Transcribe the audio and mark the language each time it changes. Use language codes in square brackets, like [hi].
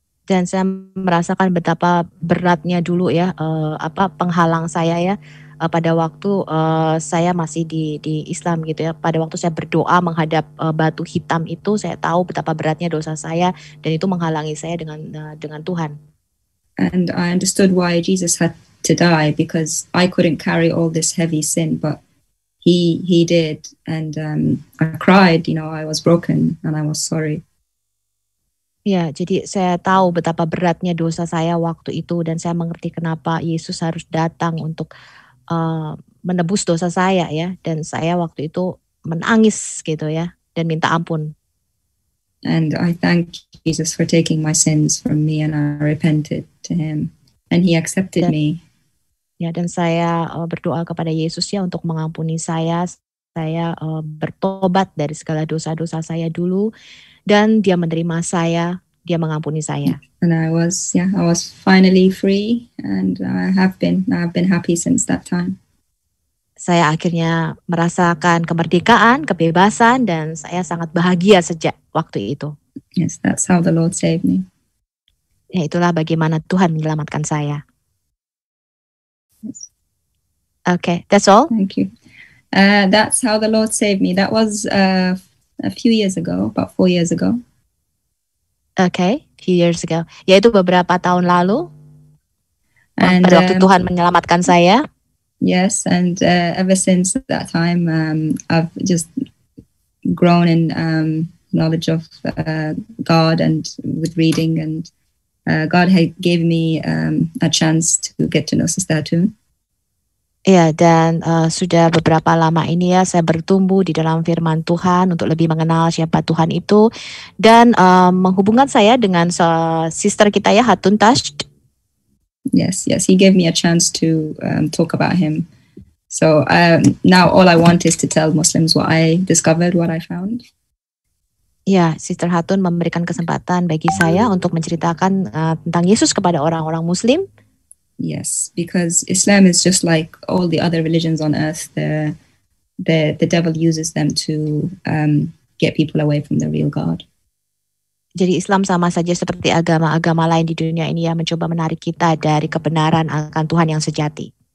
[id] Dan saya merasakan betapa beratnya dulu ya, penghalang saya ya, pada waktu saya masih di Islam gitu ya. Pada waktu saya berdoa menghadap batu hitam itu, saya tahu betapa beratnya dosa saya, dan itu menghalangi saya dengan Tuhan. [en] And I understood why Jesus had to die, because I couldn't carry all this heavy sin, but He did, and I cried. You know, I was broken, and I was sorry. [id] Yeah, jadi saya tahu betapa beratnya dosa saya waktu itu, dan saya mengerti kenapa Yesus harus datang untuk menebus dosa saya, ya. Dan saya waktu itu menangis, gitu ya, dan minta ampun. [en] And I thank Jesus for taking my sins from me, and I repented to Him, and He accepted me. [id] Ya, dan saya berdoa kepada Yesus ya untuk mengampuni saya. Saya bertobat dari segala dosa-dosa saya dulu, dan Dia menerima saya, Dia mengampuni saya. [en] And I was finally free, and I've been happy since that time. [id] Saya akhirnya merasakan kemerdekaan, kebebasan, dan saya sangat bahagia sejak waktu itu. [en] Yes, that's how the Lord saved me. [id] Ya, itulah bagaimana Tuhan menyelamatkan saya. [en] Okay, that's all. Thank you. That's how the Lord saved me. That was a few years ago, about 4 years ago. Okay, few years ago. [id] Yaitu beberapa tahun lalu. And, pada waktu Tuhan menyelamatkan saya. [en] Yes, and ever since that time, I've just grown in knowledge of God and with reading, and God had gave me a chance to get to know Sister Tune. [id] Ya, dan sudah beberapa lama ini ya saya bertumbuh di dalam firman Tuhan untuk lebih mengenal siapa Tuhan itu, dan menghubungkan saya dengan sister kita ya, Hatun Tash. [en] Yes, he gave me a chance to talk about him. So now all I want is to tell Muslims what I discovered, what I found. [id] Ya, Sister Hatun memberikan kesempatan bagi saya untuk menceritakan tentang Yesus kepada orang-orang Muslim. [en] Yes, because Islam is just like all the other religions on earth. The devil uses them to get people away from the real God. [id] Jadi Islam sama saja seperti agama-agama lain di dunia ini ya, mencoba menarik kita dari kebenaran akan Tuhan yang sejati.